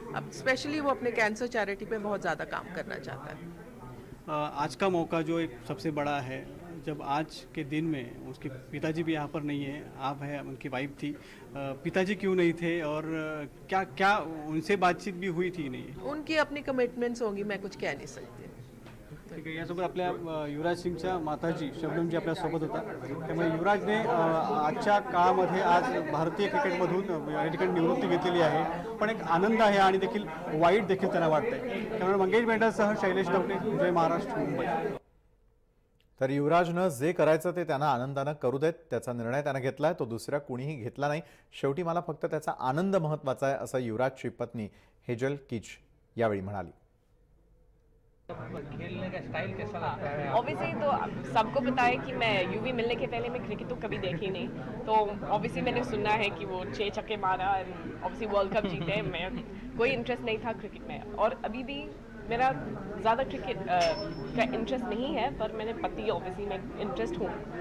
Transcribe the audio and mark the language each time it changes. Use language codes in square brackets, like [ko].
[hi] अब स्पेशली वो अपने कैंसर चैरिटी पर बहुत ज़्यादा काम करना चाहता है. आज का मौका जो एक सबसे बड़ा है, जब आज के दिन में उसके पिताजी भी यहाँ पर नहीं है, आप हैं, उनकी वाइफ थी, पिताजी क्यों नहीं थे और क्या क्या उनसे बातचीत भी हुई थी? नहीं, उनकी अपनी कमिटमेंट्स होंगी, मैं कुछ कह नहीं सकती. ठीक है, [mr] यासोबत आपल्या युवराज सिंगच्या माताजी शबनम जी आपल्या सोबत होता. त्यामुळे युवराज ने आजच्या काळामध्ये आज भारतीय क्रिकेटमधून निवृत्ती घेतलेली आहे, पण एक आनंद आहे आणि देखील वाईट देखील त्यांना वाटतंय. त्यामुळे मंगेश मेंढरसह शैलेश तवटे, जय महाराष्ट्र, मुंबई. तर युवराजनं जे करायचं ते त्यांना आनंदानं करू देत, त्याचा निर्णय त्यानं घेतला आहे, तो दुसऱ्या कुणीही घेतला नाही. शेवटी मला फक्त त्याचा आनंद महत्त्वाचा आहे, असं युवराजची पत्नी हेजल किच यावेळी म्हणाली. [hi] तो सबको पता है कि मैं यूवी मिलने के पहले मैं क्रिकेट तो कभी देखी नहीं, तो ऑब्वियसली मैंने सुना है कि वो 6 छक्के मारा, ऑब्वियसली वर्ल्ड कप जीते. मैं कोई इंटरेस्ट नहीं था क्रिकेट में और अभी भी मेरा ज़्यादा क्रिकेट का इंटरेस्ट नहीं है, पर मैंने पति ऑब्वियसली मैं इंटरेस्ट हूँ.